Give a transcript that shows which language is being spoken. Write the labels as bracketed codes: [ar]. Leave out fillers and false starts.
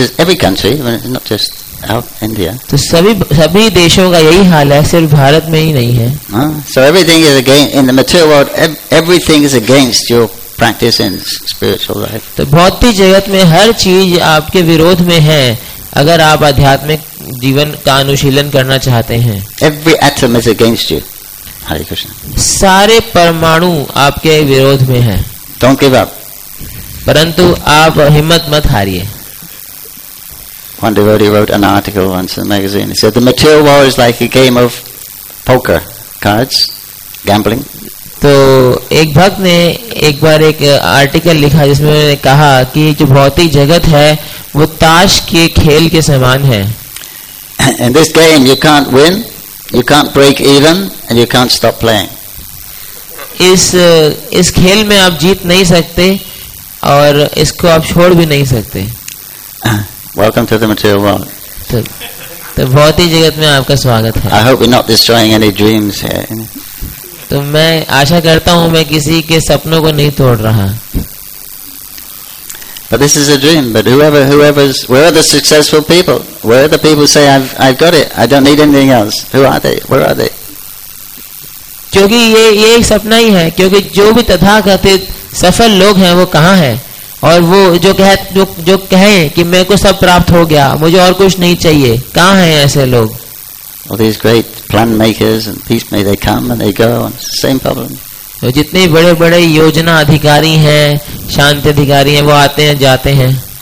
[hi] तो सभी देशों का यही हाल है, सिर्फ भारत में ही नहीं है. [en] So everything is against in the material world. Everything is against your practice in spiritual life. [hi] तो भौतिक जगत में हर चीज आपके विरोध में है अगर आप आध्यात्मिक जीवन का अनुशीलन करना चाहते हैं. [en] Every atom is against you. Hare Krishna. [hi] सारे परमाणु आपके विरोध में है. [en] Don't give up. [hi] परंतु आप हिम्मत मत हारिए. [en] One devotee wrote an article once in a magazine. He said the material world is like a game of poker cards, gambling. [hi] तो एक भक्त ने एक बार एक आर्टिकल लिखा जिसमें उन्होंने कहा कि जो भौतिक जगत है वो ताश के खेल के समान है. [en] In this game, you can't win, you can't break even, and you can't stop playing. [hi] इस खेल में आप जीत नहीं सकते और इसको आप छोड़ भी नहीं सकते. [en] Welcome to the material world. [hi] तो भौतिक जगत में आपका स्वागत है. [en] I hope we're not destroying any dreams here. [hi] तो मैं आशा करता हूँ मैं किसी के सपनों को नहीं तोड़ रहा. [en] But this is a dream. But whoever's, where are the successful people? Where are the people say I've got it? I don't need anything else. Who are they? Where are they? [hi] क्योंकि ये एक सपना ही है. क्योंकि जो भी तथाकथित सफल लोग हैं वो कहाँ हैं? और वो जो कहें कि मेरे को सब प्राप्त हो गया, मुझे और कुछ नहीं चाहिए, कहाँ हैं ऐसे लोग? [en] All these great plan makers and peace makers, they come and they go, and it's the same problem. [hi] तो जितने बड़े बड़े योजना अधिकारी हैं, शांति अधिकारी हैं, वो आते हैं जाते हैं.